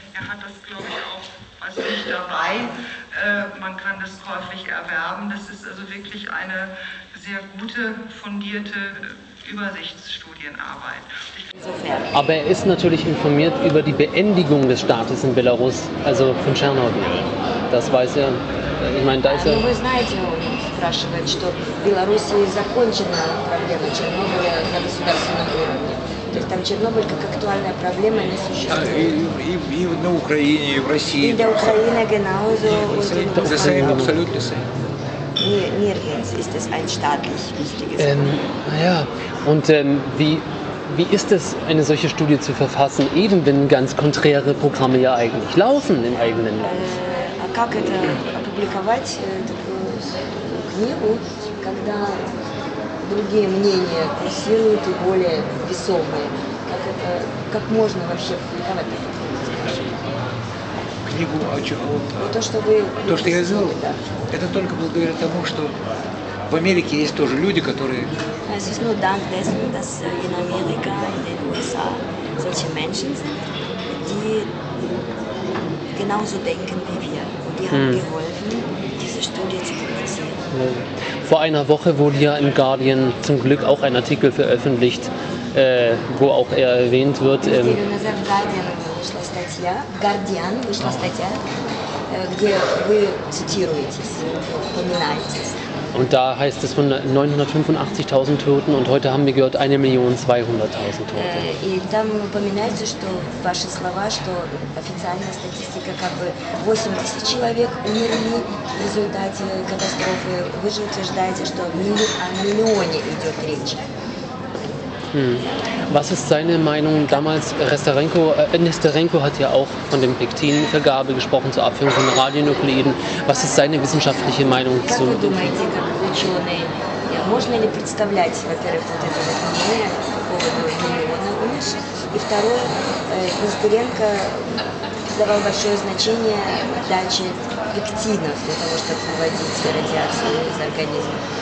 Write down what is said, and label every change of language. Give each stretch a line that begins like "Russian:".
German: Er hat das, glaube ich, auch als Buch dabei. Man kann das käuflich erwerben. Das ist also wirklich eine sehr gute, fundierte Übersichtsstudienarbeit. Aber er ist natürlich informiert über die Beendigung des Staates in Belarus, also von Tschernobyl. Das weiß er. Ich meine, da ist er.
Russian: Вы знаете, он спрашивает, что в Беларуси закончена проблема Чернобыля на государственном уровне. То есть там Чернобыль как актуальная проблема не существует. И на Украине, и в России. И для Украины
German: genauso. Das ist ein absolutes. Nirgends ist es ein staatlich wichtiges. Naja, und wie ist es, eine solche Studie zu verfassen, eben wenn ganz konträre Programme ja eigentlich laufen im eigenen Land?
Russian: Как это опубликовать такую книгу, когда другие мнения курсируют и более весомые? Как можно вообще опубликовать такую книгу? Книгу о чем? То, что я сделал, да. Это только благодаря тому, что в Америке есть тоже люди, которые.
German: Es ist nur dank dessen, dass in Amerika, in den USA solche Menschen sind, die genauso denken wie wir. Und die haben geholfen, diese Studie zu publizieren. Ja. Vor einer Woche wurde ja im Guardian zum Glück auch ein Artikel veröffentlicht, wo auch er erwähnt wird. In unserem
Russian: Guardian вышла статья, Guardian вышла статья, где вы цитируетесь, упоминаетесь.
German: Und da heißt es von 985.000 Toten und heute haben wir gehört 1.200.000 Tote.
Russian: И там упоминается, что ваши слова, что официальная статистика как бы 80 человек умерли в результате катастрофы. Вы же утверждаете, что о миллионе идет речь.
German: Was ist seine Meinung damals? Nesterenko hat ja auch von dem Pektin-Vergabe gesprochen zur Abführung von Radionukliden. Was ist seine wissenschaftliche Meinung zu?
Russian: Как вы думаете, как ученые, можно ли представлять, во-первых, вот это мнение по поводу миллиона умерших? И второе, Нестеренко давал большое значение даче пектинов для того, чтобы выводить радиацию из организма.